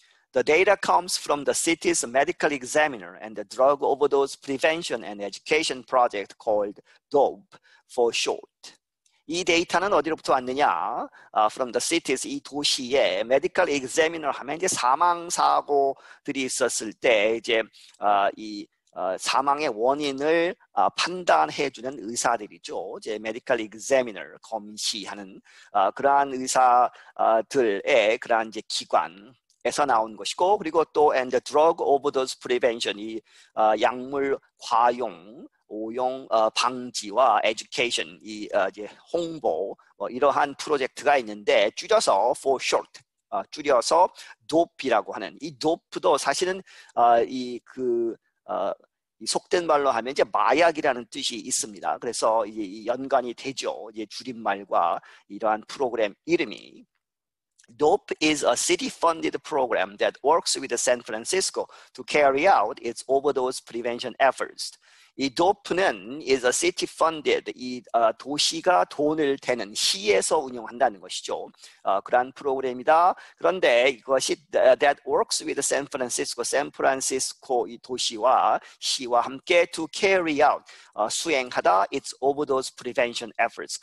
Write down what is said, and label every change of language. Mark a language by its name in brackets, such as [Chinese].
[English] The data comes from the city's medical examiner and the drug overdose prevention and education project called DOPE for short. [Korean] 이 데이터는 어디로부터 왔느냐? [English] From the city's [Korean] 이 도시의 [English] medical examiner [Korean] 하면 이제 사망 사고들이 있었을 때 이제 사망의 원인을 판단해 주는 의사들이죠. 이제 [English] medical examiner [Korean] 검시하는 그러한 의사들의 그러한 이제 기관 에서 나온 것이고, 그리고 또 [English] and the drug overdose prevention [Korean] 이 약물 과용 오용 방지와 education 이 이제 홍보 이러한 프로젝트가 있는데 줄여서 [English] for short [Korean] 줄여서 DOPE라고 하는 이 DOPE도 사실은 이 속된 말로 하면 이제 마약이라는 뜻이 있습니다. 그래서 이제 연관이 되죠. 이제 줄임말과 이러한 프로그램 이름이. [English] DOPE is a city-funded program that works with San Francisco to carry out its overdose prevention efforts. [Korean] 이 DOPE는 [English] is a city-funded, [Korean] 이 도시가 돈을 대는 시에서 운영한다는 것이죠. 그러한 프로그램이다. 그런데 이것이 [English] that works with San Francisco, [Korean] 샌프란시스코 이 도시와 시와 함께 [English] to carry out, [Korean] 수행하다 [English] its overdose prevention efforts.